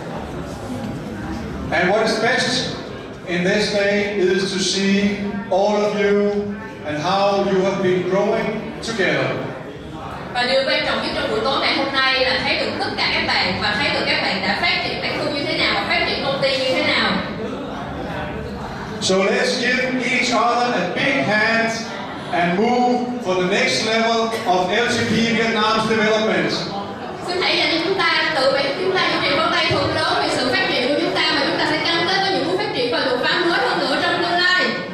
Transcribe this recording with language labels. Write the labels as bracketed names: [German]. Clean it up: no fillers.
[English] And what is best in this day is to see all of you and how you have been growing together. [Vietnamese] Và điều quan trọng nhất trong buổi tối ngày hôm nay là thấy được tất cả các bạn và thấy được các bạn đã phát triển bản thân như thế nào, phát triển công ty như thế nào. [English] So let's give each other a big hand and move for the next level of LTP Vietnam's development. [Vietnamese] Xin hãy dành cho chúng ta tự vệ chúng ta những vòng tay thật lớn về sự phát triển của chúng ta và chúng ta sẽ cam kết với những bước phát triển và đột phá mới hơn nữa trong tương lai.